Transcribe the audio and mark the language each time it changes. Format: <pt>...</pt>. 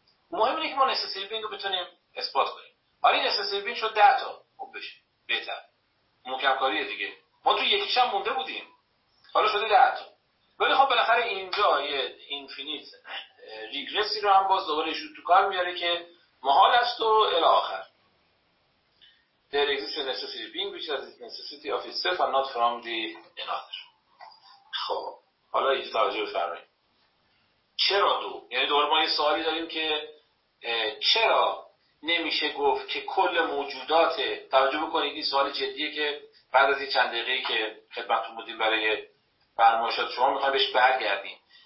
<fa>مهم اینه که ما نسسری بینگ رو بتونیم اثبات کنیم. حالا نسسری بینگ شد 10 تا، خوب بشه بهتر، محکم‌کاریه دیگه. ما تو یکیش هم مونده بودیم، حالا شده 10 تا. ولی خب بالاخره اینجا یه اینفینیت ریگرسی رو هم باز دوباره شو تو کار میاره که محال است و الی آخر.</fa> <en>There exists a necessary being which has its necessity of itself and not from the another.</en> <fa>خب حالا این توجه بفرمایید. چرا دو؟ یعنی دوباره ما یه سوالی داریم که چرا نمیشه گفت که کل موجودات، توجه بکنید این سوال جدیه که بعد از این چند دقیقه‌ای که خدمتتون بودیم برای برنامه‌شات شما می‌خوام بهش برگردیم.</fa>